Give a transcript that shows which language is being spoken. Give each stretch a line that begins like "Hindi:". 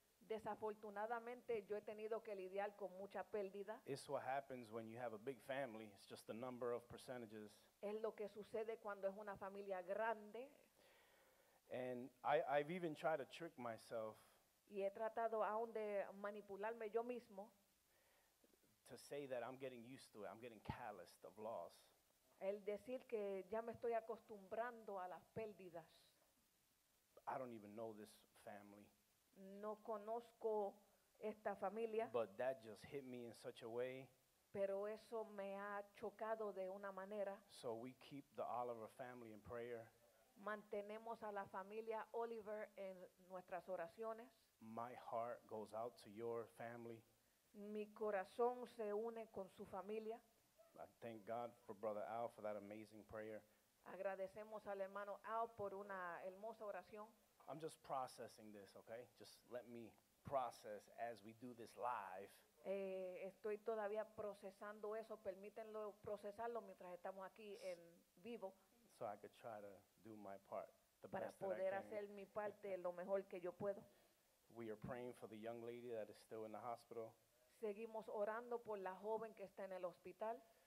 Spanish: Desafortunadamente, yo he tenido que lidiar con mucha pérdida.
English: It's what happens when you have a big family. It's just the number of percentages.
Spanish: Es lo que sucede cuando es una familia grande.
English: And I've even tried to trick myself.
Spanish: Y he tratado aún de manipularme yo mismo.
English: To say that I'm getting used to it. I'm getting calloused of loss.
Spanish: El decir que ya me estoy acostumbrando a las pérdidas.
English: I don't even know this family.
Spanish: No conozco esta familia.
English: But that just hit me in such a way.
Spanish: Pero eso me ha chocado de una manera.
English: So we keep the Oliver family in prayer.
Spanish: Mantenemos a la familia Oliver en nuestras oraciones.
English: My heart goes out to your family.
Spanish: Mi corazón se une con su familia.
English: I thank God for Brother Al for that amazing prayer.
Spanish: Agradecemos al hermano Al por una hermosa oración.
English: I'm just processing this, okay? Just let me process as we do this live.
Spanish: Estoy todavía procesando eso. Permítanlo procesarlo mientras estamos aquí en vivo.
English: So I could try to do my part the best that I can.
Spanish: Para poder hacer mi parte lo mejor que yo puedo.
English: We are praying for the young lady that is still in the hospital.
Spanish: Seguimos orando por la joven que está en el hospital.